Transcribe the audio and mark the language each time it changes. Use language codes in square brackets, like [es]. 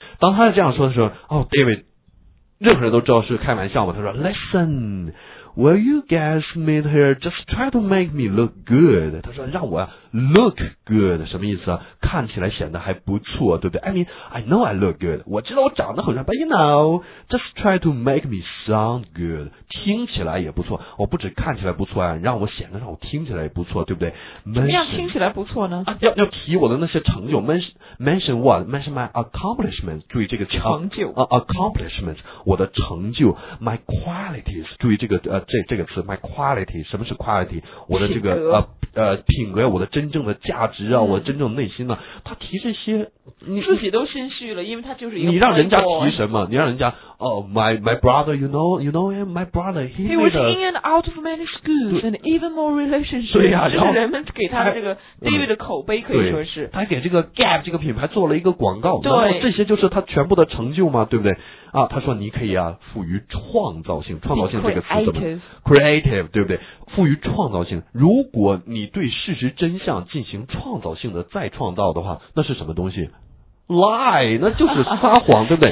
[zh] 当他这样说的时候，哦 ，David， 任何人都知道是开玩笑嘛。他说 ， [en] Listen， will you guys meet her? Just try to make me look good。 [zh] 他说让我 look good 什么意思啊？看起来显得还不错，对不对 [en] ？I mean， I know I look good。 [zh] 我知道我长得很帅 [en] ，but you know， just try to make me sound good。 [zh] 听起来也不错，我不只看起来不错啊，让我显得让我听起来也不错，对不对？怎么样听起来不错呢？啊、要提我的那些成就 ， [en] mention what，mention my accomplishments， [zh] 注意这个成就啊 ，accomplishments， 我的成就 ， [en] my qualities， [zh] 注意这个这个词 ， [en] my quality， [zh] 什么是 quality？我的这个品格，我的真正的价值啊，我的真正的内心呢、啊？他提这些，你自己都心虚了，因为他就是你让人家提什么？你让人家哦 [en] ，my brother， you know him， my brother he was in and out of many schools and even more relationships。 [zh] 对呀、啊，然后人们给他的这个 David 的口碑可以说是、他给这个 Gap 这个品牌做了一个广告。对，然后这些就是他全部的成就嘛，对不对？啊，他说你可以啊，赋予创造性，创造性这个词怎么 creative， 对不对？赋予创造性，如果你对事实真相进行创造性的再创造的话，那是什么东西 ？Lie， 那就是撒谎，对不对？